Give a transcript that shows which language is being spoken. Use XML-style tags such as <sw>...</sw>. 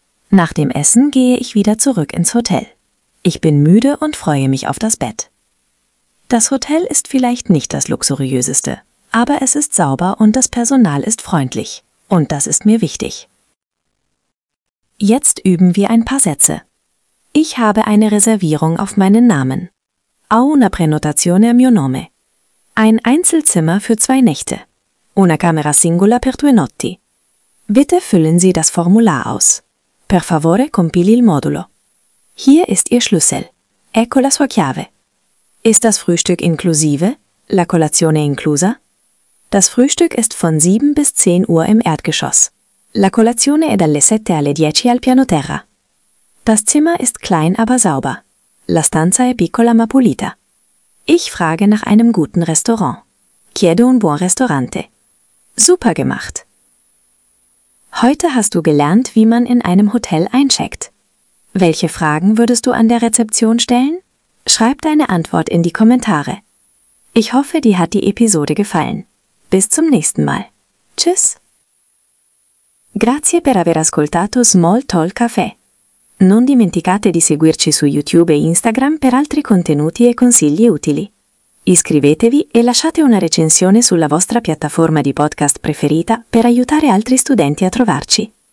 <de>Nach dem Essen gehe ich wieder zurück ins Hotel. Ich bin müde und freue mich auf das Bett. Das Hotel ist vielleicht nicht das luxuriöseste, aber es ist sauber und das Personal ist freundlich. Und das ist mir wichtig. Jetzt üben wir ein paar Sätze. Ich habe eine Reservierung auf meinen Namen.</de> <it>Ho una prenotazione a mio nome.</it> <de>Ein Einzelzimmer für 2 Nächte.</de> <it>Una camera singola per 2 notti.</it> <de>Bitte füllen Sie das Formular aus.</de> <it>Per favore compili il modulo.</it> <de>Hier ist Ihr Schlüssel.</de> <it>Ecco la sua chiave.</it> <de>Ist das Frühstück inklusive?</de> <it>La colazione inclusa?</it> <de>Das Frühstück ist von 7 bis 10 Uhr im Erdgeschoss.</de> <it>La colazione è dalle 7 alle 10 al piano terra.</it> <de>Das Zimmer ist klein, aber sauber.</de> <it>La stanza è piccola ma pulita.</it> <de>Ich frage nach einem guten Restaurant.</de> <it>Chiedo un buon ristorante.</it> <de>Super gemacht! Heute hast du gelernt, wie man in einem Hotel eincheckt. Welche Fragen würdest du an der Rezeption stellen? Schreib deine Antwort in die Kommentare. Ich hoffe, dir hat die Episode gefallen. Bis zum nächsten Mal. Tschüss!</de> <it>Grazie per aver ascoltato Small Talk Café. Non dimenticate di seguirci su YouTube e Instagram per altri contenuti e consigli utili. Iscrivetevi e lasciate una recensione sulla vostra piattaforma di podcast preferita per aiutare altri studenti a trovarci.</it>